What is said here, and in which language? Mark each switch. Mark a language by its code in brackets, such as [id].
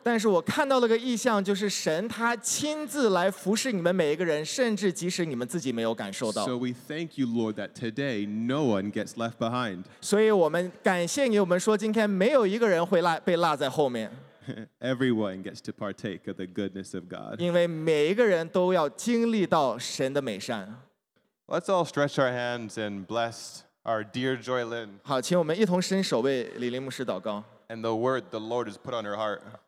[zh] 但是我看到了个意象，就是神他亲自来服侍你们每一个人，甚至即使你们自己没有感受到。 [en] So we thank you, Lord, that today no one gets left behind. [zh] 所以我们感谢你，我们说今天没有一个人会被落在后面。 [en] Everyone gets to partake of the goodness of God. [zh] 因为每一个人都要经历到神的美善。 [en] Let's all stretch our hands and bless our dear Joy Lin. [zh] 好, 请我们一同伸手为李林牧师祷告。 [en] And the word the Lord has put on her heart.